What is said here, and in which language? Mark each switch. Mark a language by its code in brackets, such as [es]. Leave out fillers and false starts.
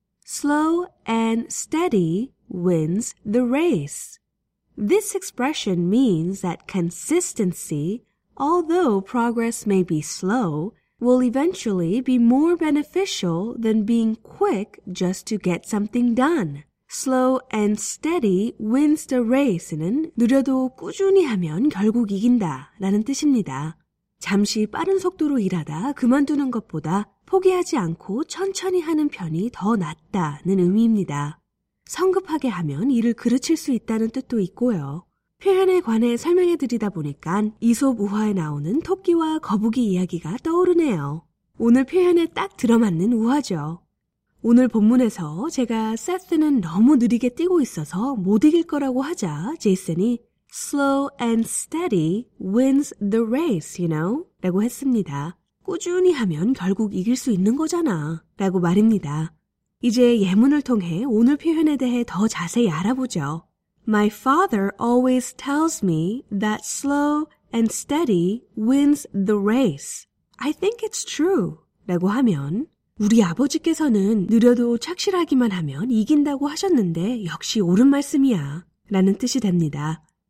[en] Slow and steady wins the race. This expression means that consistency, although progress may be slow, will eventually be more beneficial than being quick just to get something done. Slow and steady wins the race는 [ko] 느려도 꾸준히 하면 결국 이긴다 라는 뜻입니다. 잠시 빠른 속도로 일하다 그만두는 것보다 포기하지 않고 천천히 하는 편이 더 낫다는 의미입니다. 성급하게 하면 일을 그르칠 수 있다는 뜻도 있고요. 표현에 관해 설명해 드리다 보니까 이솝우화에 나오는 토끼와 거북이 이야기가 떠오르네요. 오늘 표현에 딱 들어맞는 우화죠. 오늘 본문에서 제가 세스는 너무 느리게 뛰고 있어서 못 이길 거라고 하자 제이슨이 [en] slow and steady wins the race, you know? [ko] 라고 했습니다. 꾸준히 하면 결국 이길 수 있는 거잖아 라고 말입니다. 이제 예문을 통해 오늘 표현에 대해 더 자세히 알아보죠. [en] My father always tells me that slow and steady wins the race. I think it's true. [ko] 라고 하면 우리 아버지께서는 느려도 착실하기만 하면 이긴다고 하셨는데 역시 옳은 말씀이야 라는 뜻이 됩니다.